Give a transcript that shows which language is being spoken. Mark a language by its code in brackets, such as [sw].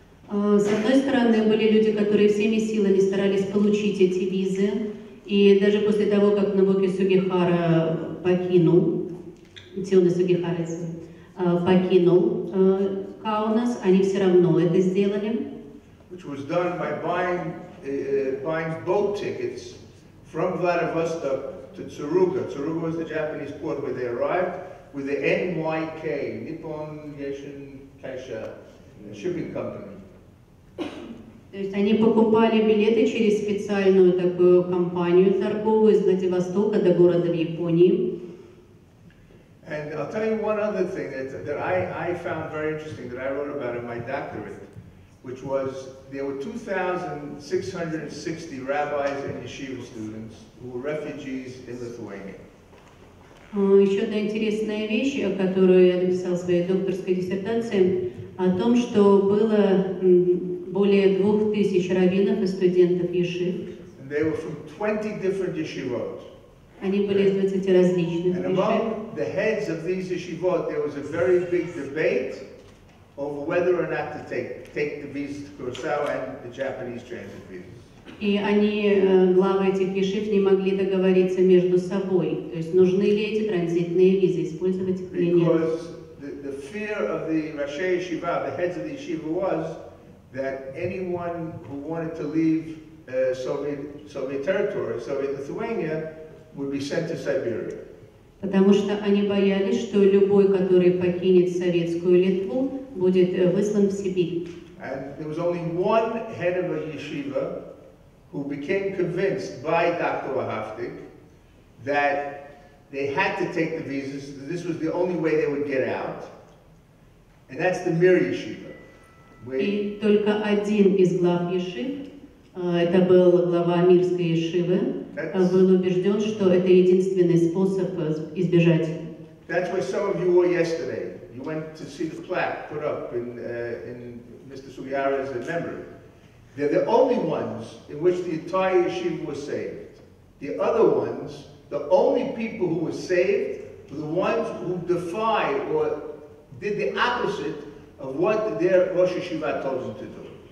[ru] С одной стороны, были люди, которые всеми силами старались получить эти визы, и даже после того, как Нобуки Сугихара покинул, Тиуна Сугихара покинул Каунас, они все равно это сделали. [en] Which was done by buying boat tickets from Vladivostok to Tsuruga. Tsuruga was the Japanese port where they arrived with the NYK, Nippon Yeshin Kaisha Shipping Company. [ru] То есть они покупали билеты через специальную такую компанию торговую из Владивостока до города в Японии. [en] And I'll tell you one other thing that I found very interesting that I wrote about in my doctorate, which was there were 2,660 rabbis and yeshiva students who were refugees in Lithuania. [ru] Еще одна интересная вещь, о которой я написал в своей докторской диссертации, о том, что было более 2,000 раввинов и студентов ешив. [en] And they were from 20 different yeshivot. [ru] Они были из 20 различных [en] ешив. And among the heads of these yeshivot, there was a very big debate over whether or not to take the visa to Kurosawa and the Japanese transit visas. [ru] И они, главы этих ешив, не могли договориться между собой. То есть нужны ли эти транзитные визы, использовать их или нет. [en] Because the fear of the Rashi Yeshiva, the heads of the yeshiva, was that anyone who wanted to leave Soviet territory, Soviet Lithuania, would be sent to Siberia. [ru] Потому что они боялись, что любой, который покинет советскую Литву, будет выслан в Сибирь. [en] And there was only one head of a yeshiva who became convinced by Dr. Wahavtik that they had to take the visas, this was the only way they would get out, and that's the Mir yeshiva. [ru] И только один из глав ешив, это был глава Мирской ешивы, был убежден, что это единственный способ избежать. [en] That's where some of you were yesterday. You went to see the plaque put up in Mr. Sugihara's memory. They're the only ones in which the entire yeshiva was saved. The other ones, the only people who were saved, were the ones who defied or did the opposite of what their Rosh Yeshiva told them to do.